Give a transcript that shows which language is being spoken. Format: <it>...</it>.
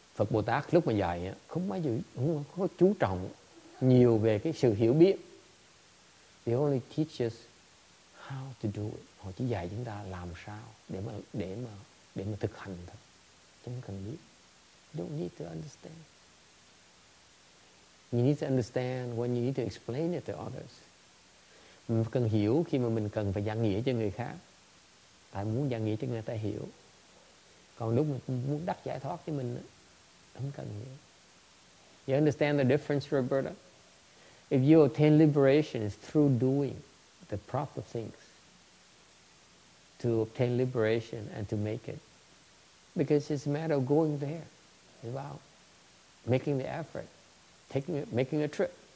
<vi>Phật Bồ Tát lúc mà dạy không bao giờ không có chú trọng nhiều về cái sự hiểu biết.</vi> <en>They only teach us how to do it.</en> <vi>Họ chỉ dạy chúng ta làm sao để mà thực hành thôi. Chúng cần biết.</vi> <en>Don't need to understand. You need to understand when you need to explain it to others.</en> <vi>Mình cần hiểu khi mà mình cần phải giảng nghĩa cho người khác. Tại muốn giảng nghĩa cho người ta hiểu. Còn lúc mình muốn đắc giải thoát cho mình, không cần hiểu.</vi> <en>You understand the difference, Roberta? If you attain liberation, it's through doing the proper things. To obtain liberation and to make it. Because it's a matter of going there. It's about making the effort. Making a trip.</en>